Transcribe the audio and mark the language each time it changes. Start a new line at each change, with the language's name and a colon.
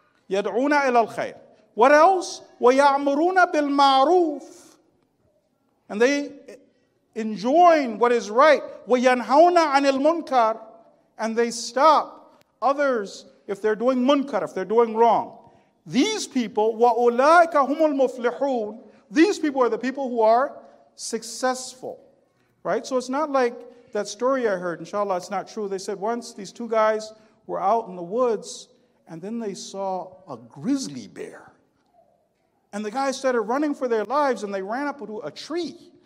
Arabic: يَدْعُونَ إِلَى الْخَيْرِ.
English: What else?
Arabic: وَيَعْمُرُونَ بِالْمَعْرُوفِ.
English: And they enjoin what is right.
Arabic: وَيَنْهَوْنَ عَنِ الْمُنْكَرِ.
English: And they stop others if they're doing munkar, if they're doing wrong. These people,
Arabic: وَأُولَٰئِكَ هُمُ الْمُفْلِحُونَ.
English: These people are the people who are successful. Right? So it's not like that story I heard. Inshallah, it's not true. They said once these two guys were out in the woods, and then they saw a grizzly bear. And the guys started running for their lives, and they ran up to a tree.